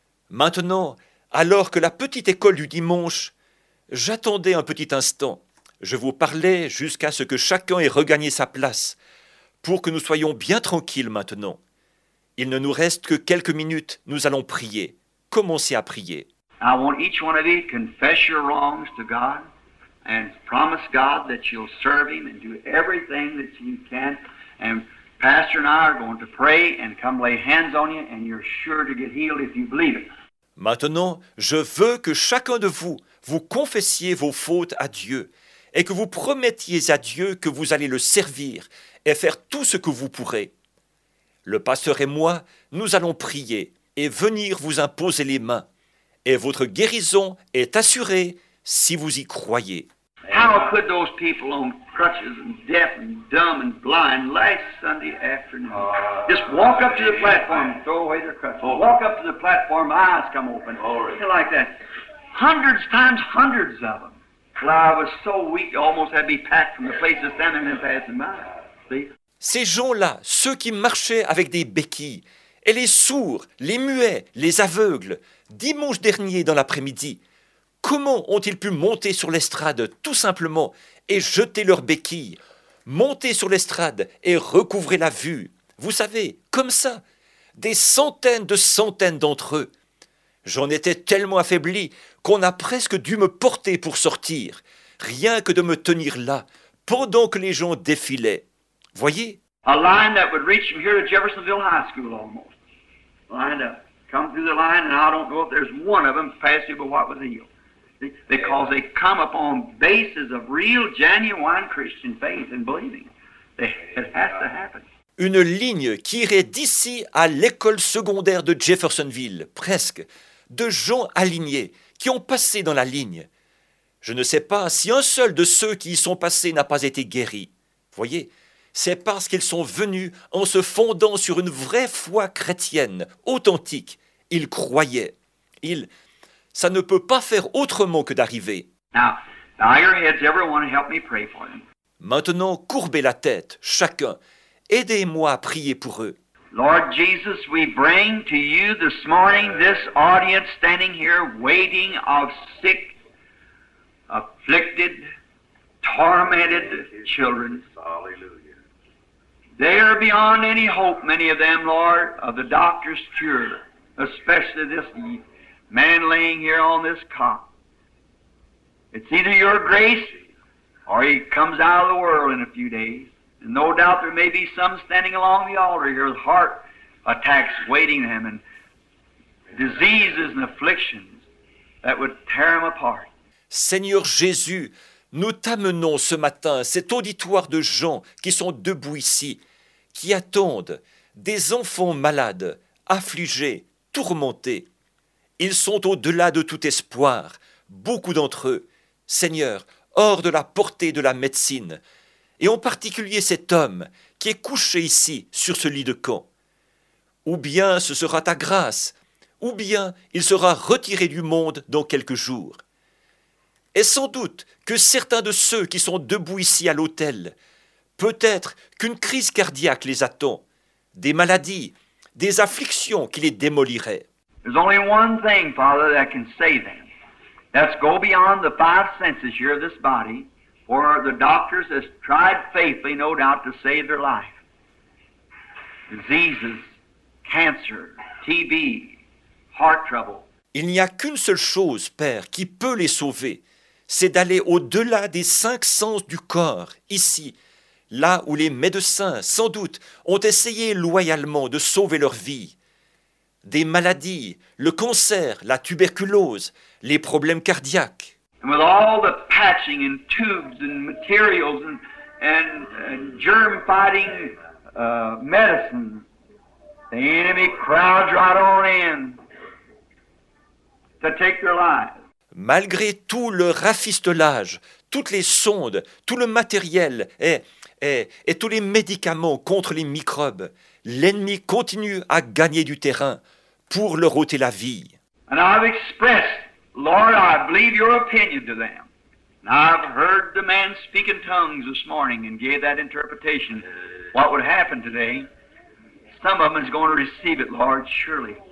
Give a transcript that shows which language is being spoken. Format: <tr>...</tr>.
<fr>Maintenant, alors que la petite école du dimanche, j'attendais un petit instant. Je vous parlais jusqu'à ce que chacun ait regagné sa place, pour que nous soyons bien tranquilles maintenant. Il ne nous reste que quelques minutes, nous allons prier. Commencez à prier.</fr> <en>I want each one of you to confess your wrongs to God and promise God that you'll serve him and do everything that you can. And Pastor and I are going to pray and come lay hands on you and you're sure to get healed if you believe it.</en> <fr>Maintenant, je veux que chacun de vous vous confessiez vos fautes à Dieu et que vous promettiez à Dieu que vous allez le servir et faire tout ce que vous pourrez. Le pasteur et moi, nous allons prier et venir vous imposer les mains. Et votre guérison est assurée si vous y croyez.</fr> <en>How could those people on crutches and deaf and dumb and blind last Sunday afternoon just walk up to the platform and throw away their crutches? Oh. Walk up to the platform, eyes come open. Something like that. Hundreds times hundreds of them. Well, I was so weak, I almost had to be packed from the place of standing and passing by. See?</en> <fr>Ces gens-là, ceux qui marchaient avec des béquilles, et les sourds, les muets, les aveugles, dimanche dernier dans l'après-midi, comment ont-ils pu monter sur l'estrade tout simplement et jeter leurs béquilles, monter sur l'estrade et recouvrer la vue? Vous savez, comme ça, des centaines de centaines d'entre eux. J'en étais tellement affaibli qu'on a presque dû me porter pour sortir, rien que de me tenir là, pendant que les gens défilaient. Voyez?</fr> <en>A line that would reach from here to Jeffersonville High School almost. Lined up. Come through the line and I don't know if there's one of them past you but what was healed. Because they come upon basis of real genuine Christian faith and believing. It has to happen.</en> <fr>Une ligne qui irait d'ici à l'école secondaire de Jeffersonville, presque, de gens alignés qui ont passé dans la ligne. Je ne sais pas si un seul de ceux qui y sont passés n'a pas été guéri. Voyez, c'est parce qu'ils sont venus en se fondant sur une vraie foi chrétienne, authentique. Ils croyaient. Ça ne peut pas faire autrement que d'arriver.</fr> <en>Now, bow your heads, everyone, help me pray for them.</en> <fr>Maintenant, courbez la tête, chacun. Aidez-moi à prier pour eux.</fr> <en>Lord Jesus, we bring to you this morning this audience standing here waiting of sick, afflicted, tormented children. Hallelujah. They are beyond any hope, many of them, Lord, of the doctor's cure, especially this man laying here on this cot. It's either your grace or he comes out of the world in a few days. And no doubt there may be some standing along the altar here with heart attacks waiting them and diseases and afflictions that would tear them apart.</en> <fr>Seigneur Jésus, nous t'amenons ce matin cet auditoire de gens qui sont debout ici, qui attendent, des enfants malades, affligés, tourmentés. Ils sont au-delà de tout espoir, beaucoup d'entre eux, Seigneur, hors de la portée de la médecine. Et en particulier cet homme qui est couché ici sur ce lit de camp. Ou bien ce sera ta grâce, ou bien il sera retiré du monde dans quelques jours. Et sans doute que certains de ceux qui sont debout ici à l'autel, peut-être qu'une crise cardiaque les attend, des maladies, des afflictions qui les démoliraient.</fr> <en>There's only one thing, Father, that can save them. That's go beyond the five senses here of this body. for the doctors has tried faithfully, no doubt, to save their life. Diseases, cancer, TB, heart trouble.</en> <fr>Il n'y a qu'une seule chose, Père, qui peut les sauver. C'est d'aller au-delà des cinq sens du corps, ici, là où les médecins, sans doute, ont essayé loyalement de sauver leur vie. Des maladies, le cancer, la tuberculose, les problèmes cardiaques.</fr> <en>And with all the patching and tubes and materials and germ-fighting medicine, the enemy crowds right on in to take their lives.</en> <fr>Malgré tout le rafistolage, toutes les sondes, tout le matériel et tous les médicaments contre les microbes, l'ennemi continue à gagner du terrain pour leur ôter la vie.</fr> <en>And I've expressed, Lord, I believe your opinion to them. And I've heard the man speak in tongues this morning and gave that interpretation. What would happen today? Some of them is going to receive it, Lord, surely.</en>